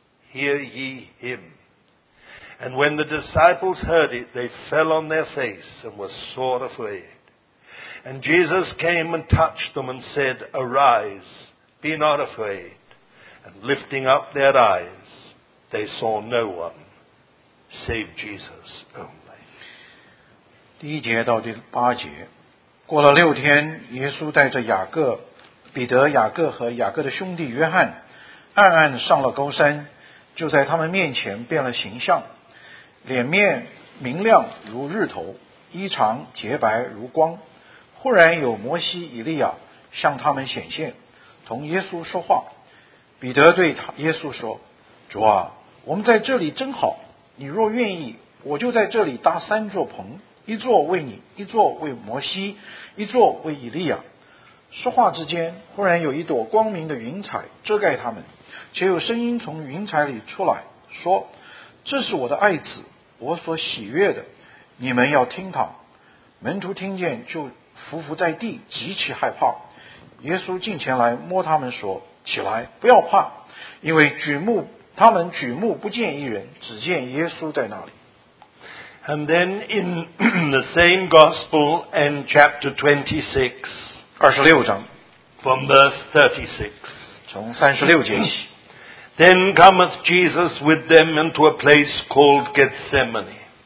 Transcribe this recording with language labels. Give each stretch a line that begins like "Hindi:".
English: Hear ye him. And when the disciples heard it, they fell on their face and were sore afraid. And Jesus came and touched them and said, Arise, be not afraid. And lifting up their eyes, they saw no one, save Jesus only.
Chinese: 第一节到第八节，过了六天，耶稣带着雅各、彼得、雅各和雅各的兄弟约翰，暗暗上了高山，就在他们面前变了形象，脸面明亮如日头，衣裳洁白如光。忽然有摩西、以利亚向他们显现，同耶稣说话。彼得对耶稣说：“主啊，我们在这里真好。你若愿意，我就在这里搭三座棚，一座为你，一座为摩西，一座为以利亚。” 说话之间，忽然有一朵光明的云彩遮盖他们，且有声音从云彩里出来，说：“这是我的爱子，我所喜悦的，你们要听他。” 门徒听见就伏伏在地，极其害怕。耶稣近前来摸他们，说：“起来，不要怕，因为他们举目不见一人，只见耶稣在那里。”
English: And then in the same gospel and chapter 26,
Chinese: 26章
English: from verse 36,
Chinese: 从36节起，
English: Then cometh Jesus with them into a place called Gethsemane.